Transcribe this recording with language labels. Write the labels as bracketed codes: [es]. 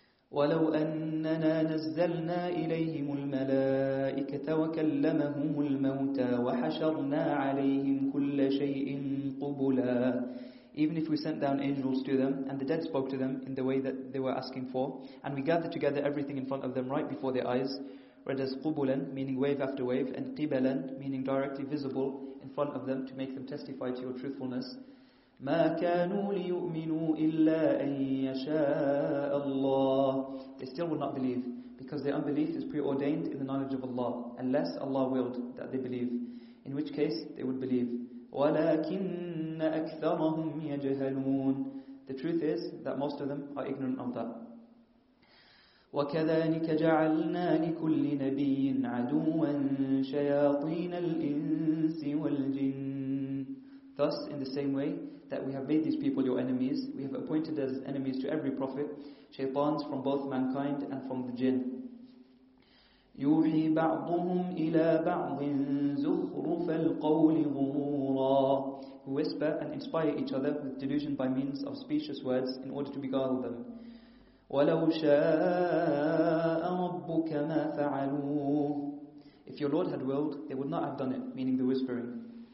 [ar] وَلَوْ أَنَّنَا نَزَّلْنَا إِلَيْهِمُ الْمَلَائِكَةَ وَكَلَّمَهُمُ الْمَوْتَى وَحَشَرْنَا عَلَيْهِمْ كُلَّ شَيْءٍ قُبُلًا. [en] Even if we sent down angels to them, and the dead spoke to them in the way that they were asking for, and we gathered together everything in front of them right before their eyes, read as قُبُلًا, meaning wave after wave, and قِبَلًا, meaning directly visible in front of them to make them testify to your truthfulness, [ar] ما كانوا ليؤمنوا إلا أن يشاء الله. [en] They still will not believe because their unbelief is preordained in the knowledge of Allah, unless Allah willed that they believe, in which case they would believe. [ar] ولكن أكثرهم يجهلون. [en] The truth is that most of them are ignorant of that. [ar] وكذلك جعلنا لكل نبي عدوا شياطين الإنس والجن. [en] Thus, in the same way that we have made these people your enemies, we have appointed as enemies to every prophet shaitans from both mankind and from the jinn. [ar] يوحي بعضهم إلى بعض زخرف القول غرورا. [en] Who whisper and inspire each other with delusion by means of specious words in order to beguile them. [ar] ولو شاء ربك ما فعلوه. [en] If your Lord had willed, they would not have done it, meaning the whispering.